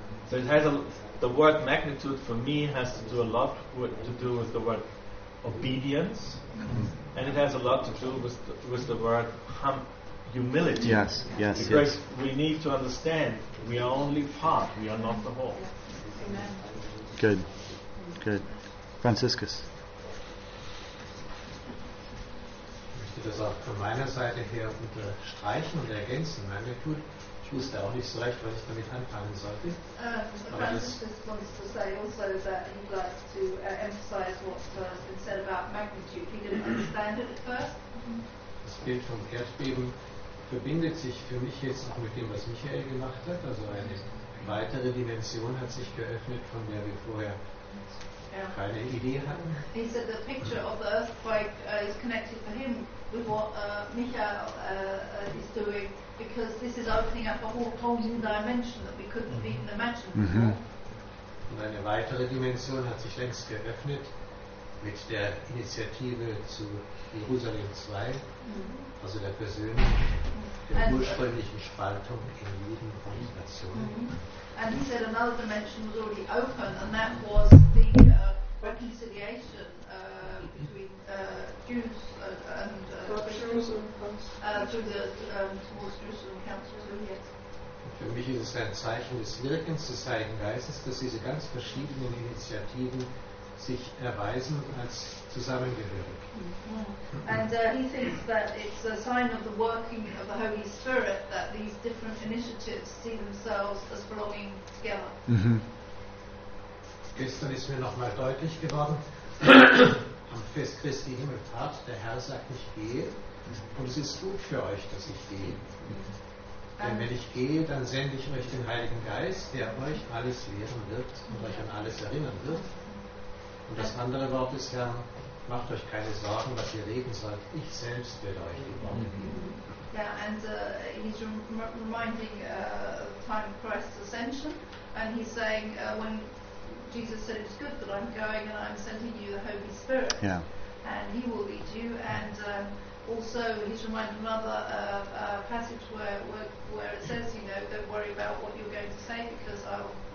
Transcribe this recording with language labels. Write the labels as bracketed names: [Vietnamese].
[English] So it has the word magnitude for me has to do a lot to do with the word obedience, and it has a lot to do with the word humility. Yes, yes, because yes. We need to understand we are only part, we are not the whole. Good, good. Franziskus. [German] Ich möchte das auch von meiner Seite her unterstreichen und ergänzen. Magnitude, ich wusste auch nicht so recht, was ich damit anfangen sollte. [English] Franziskus wants to say also that he likes to emphasize what has been said about magnitude. He didn't understand it at first. [German] Das Bild vom Erdbeben verbindet sich für mich jetzt auch mit dem, was Michael gemacht hat. Also eine weitere Dimension hat sich geöffnet, von der wir vorher keine Idee hatten. [English] He said the picture of the earthquake is connected for him with what Michael is doing, because this is opening up a whole new dimension that we couldn't even imagine before. [German] Und eine weitere Dimension hat sich längst geöffnet mit der Initiative zu Jerusalem 2, also der persönlichen, der ursprünglichen Spaltung in Juden und Nationen. [English] And he said another dimension was already open, and that was the reconciliation between Jews towards Jerusalem Council. Yes. [German] Für mich ist es ein Zeichen des Wirkens des Heiligen Geistes, dass diese ganz verschiedenen Initiativen sich erweisen als zusammengehörig. [English] And he thinks that it's a sign of the working of the Holy Spirit that these different initiatives see themselves as belonging together. [German] Gestern ist mir nochmal deutlich geworden, am Fest Christi Himmelfahrt, der Herr sagt, ich gehe, und es ist gut für euch, dass ich gehe. Denn wenn ich gehe, dann sende ich euch den Heiligen Geist, der euch alles lehren wird und euch an alles erinnern wird. Und das andere Wort ist, Herr, macht euch keine Sorgen, was ihr reden sollt. Ich selbst werde euch die Worte geben. [English] Yeah, and he's reminding the time of Christ's ascension. And he's saying, when Jesus said it's good that I'm going and I'm sending you the Holy Spirit. Yeah. And he will lead you. And also he's reminding another passage where it says, you know, don't worry about what you're going to say, because I will.